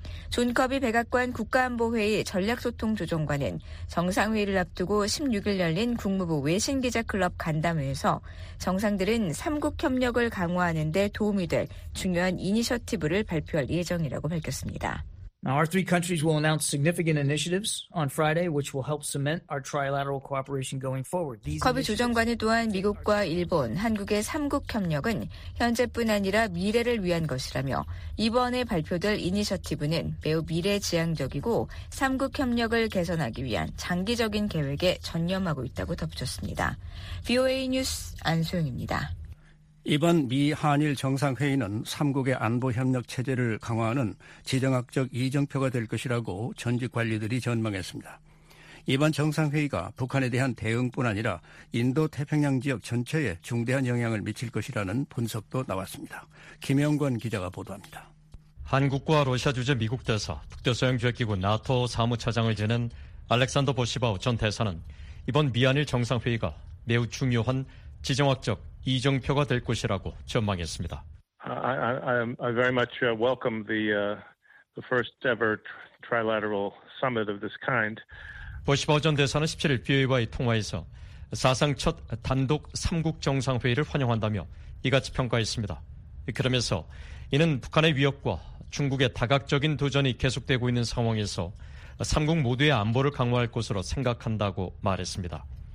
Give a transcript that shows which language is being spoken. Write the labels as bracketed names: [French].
[Korean] 존 커비 백악관 국가안보회의 전략소통조정관은 정상회의를 앞두고 16일 열린 국무부 외신기자클럽 간담회에서 정상들은 3국 협력을 강화하는 데 도움이 될 중요한 이니셔티브를 발표할 예정이라고 밝혔습니다. [English] Our three countries will announce significant initiatives on Friday, which will help cement our trilateral cooperation going forward. [Korean] 커비 조정관이 또한 미국과 일본, 한국의 3국 협력은 현재뿐 아니라 미래를 위한 것이라며 이번에 발표될 이니셔티브는 매우 미래지향적이고 3국 협력을 개선하기 위한 장기적인 계획에 전념하고 있다고 덧붙였습니다. VOA 뉴스 안소영입니다. 이번 미 한일 정상회의는 3국의 안보 협력 체제를 강화하는 지정학적 이정표가 될 것이라고 전직 관리들이 전망했습니다. 이번 정상회의가 북한에 대한 대응뿐 아니라 인도 태평양 지역 전체에 중대한 영향을 미칠 것이라는 분석도 나왔습니다. 김영권 기자가 보도합니다. 한국과 러시아 주재 미국 대사, 북대서양조약기구 나토 사무차장을 지낸 알렉산더 보시바우 전 대사는 이번 미 한일 정상회의가 매우 중요한 지정학적 이정표가 될 것이라고 전망했습니다. [English] I very much welcome the first ever trilateral summit of this kind. [Korean] 보시바우 전 대사는 17일 BOA와의 통화에서 사상 첫 단독 3국 정상회의를 환영한다며 이같이 평가했습니다. 그러면서 이는 북한의 위협과 중국의 다각적인 도전이 계속되고 있는 상황에서 3국 모두의 안보를 강화할 것으로 생각한다고 말했습니다.